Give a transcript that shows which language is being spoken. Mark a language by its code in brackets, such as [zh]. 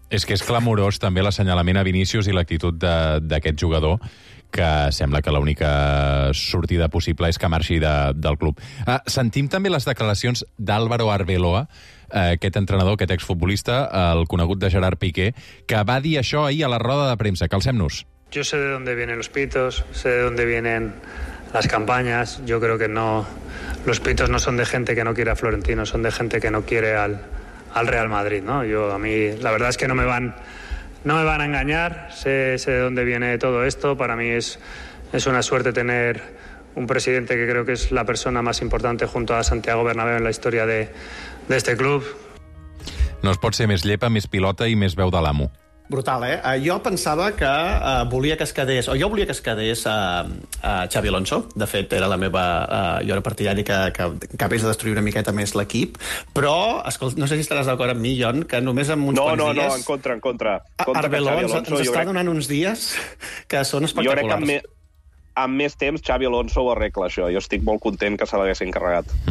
[ca] És que és clamorós també l'assenyalament a Vinícius i l'actitud d'aquest jugador, que sembla que l'única sortida possible és que marxi del club. Sentim també les declaracions d'Álvaro Arbeloa, aquest entrenador, aquest exfutbolista, el conegut de Gerard Piqué, que va dir això ahir a la roda de premsa. Calcem-nos. [es] Yo sé de dónde vienen los pitos, sé de dónde vienen las campañas. Yo creo que no, los pitos no son de gente que no quiere a Florentino, son de gente que no quiere al Real Madrid, ¿no? Yo, a mí, la verdad es que no me van a engañar. Sé de dónde viene todo esto. Para mí es una suerte tener un presidente que creo que es la persona más importante junto a Santiago Bernabéu en la historia de este club. [ca] No es pot ser més llepa, més pilota i més veu de l'amo. Brutal, eh? Jo pensava que volia que es quedés, o jo volia que es quedés a Xavi Alonso. De fet, era la meva... jo era partidari que acabés de destruir una miqueta més l'equip. Però, escolta, no sé si estaràs d'acord amb mi, Jon, que només amb uns quants dies... No, en contra. Arbelón ens està donant uns dies que són espectaculars. Jo crec que amb més temps Xavi Alonso ho arregla, això. Jo estic molt content que se l'hagués encarregat.